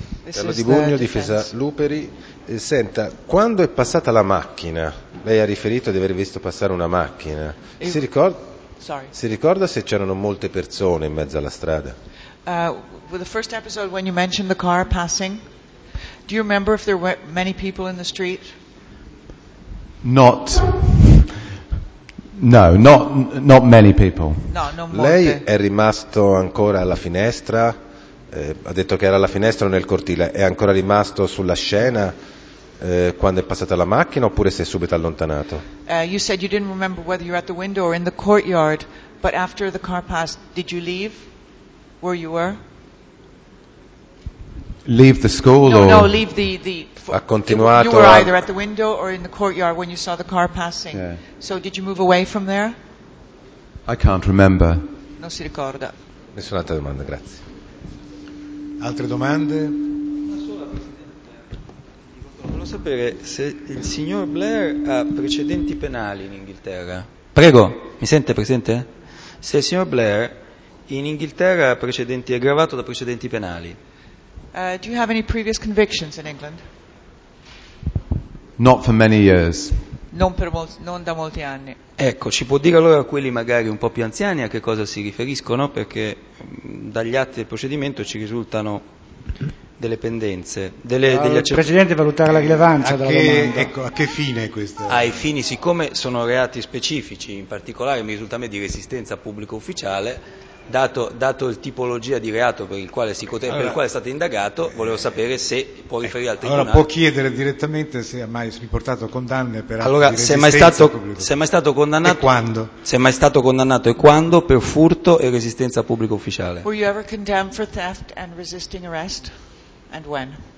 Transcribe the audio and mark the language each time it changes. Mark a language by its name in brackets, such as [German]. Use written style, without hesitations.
[Italian] Carlo Di Bugno, difesa Luperi. Senta, quando è passata la macchina, lei ha riferito di aver visto passare una macchina, si ricorda se c'erano molte persone in mezzo alla strada? [English] With the first episode when you mentioned the car passing, do you remember if there were many people in the street? Not. No, not many people. [Italian] No, non molte. Lei è rimasto ancora alla finestra? Ha detto che era alla finestra o nel cortile? È ancora rimasto sulla scena quando è passata la macchina oppure si è subito allontanato? [English] You said you didn't remember whether you were at the window or in the courtyard, but after the car passed, did you leave where you were? Leave the school? No, or no, leave the [Italian] ha continuato. [English] You were either at the window or in the courtyard when you saw the car passing. Yeah. So did you move away from there? I can't remember. [Italian] Non si ricorda. Nessuna altra domanda, grazie. Altre domande? Volevo sapere se il signor Blair ha precedenti penali in Inghilterra. Prego, mi sente, Presidente? Se il signor Blair in Inghilterra ha precedenti, è aggravato da precedenti penali. [English] Do you have any previous convictions in England? Not for many years. [Italian] Non da molti anni. Ecco, ci può dire allora quelli magari un po' più anziani a che cosa si riferiscono? Perché dagli atti del procedimento ci risultano delle pendenze. Presidente, valutare la rilevanza della domanda. Ecco, a che fine questo? Ai fini, siccome sono reati specifici, in particolare mi risulta a me di resistenza a pubblico ufficiale, dato il tipologia di reato per il quale per il quale è stato indagato, volevo sapere se può riferire al tribunale. Allora può chiedere direttamente se ha mai riportato condanne per atti allora, di resistenza. Se è mai stato condannato e quando per furto e resistenza a pubblico ufficiale. [English] Were you ever condemned for theft and resisting arrest and when?